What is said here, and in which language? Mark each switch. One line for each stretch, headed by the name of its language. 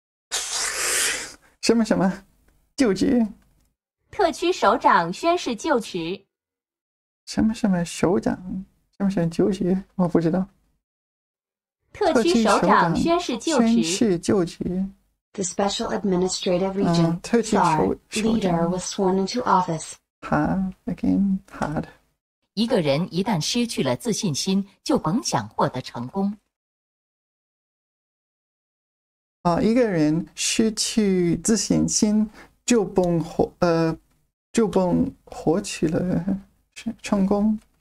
Chinese: 什么什么就职。特区首长宣誓就职。什么什么首长什么什么就职我不知道。特区首长宣誓就职。宣誓就职。
English: The special administrative region, Tsar, leader was sworn into office. Hard, again, hard.
Chinese: 一个人一旦失去了自信心，就甭想获得成功。一个人失去自信心，就甭获取了成功。